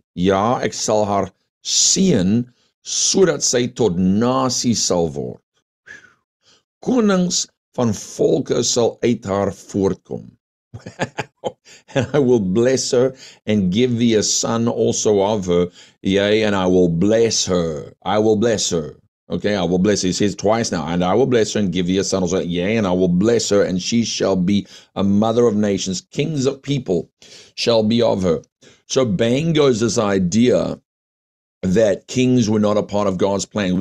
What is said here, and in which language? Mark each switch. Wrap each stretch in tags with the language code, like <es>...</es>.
<af>Ja, ek sal haar seën sodat sy tot nasie sal word. Konings van volke sal uit haar voortkom.</af> <en>And I will bless her and give thee a son also of her. Yea, and I will bless her. I will bless her. Okay, I will bless her. He says twice now, and I will bless her and give thee a son. Also, yea, and I will bless her, and she shall be a mother of nations. Kings of people shall be of her. So bang goes this idea that kings were not a part of God's plan.</en>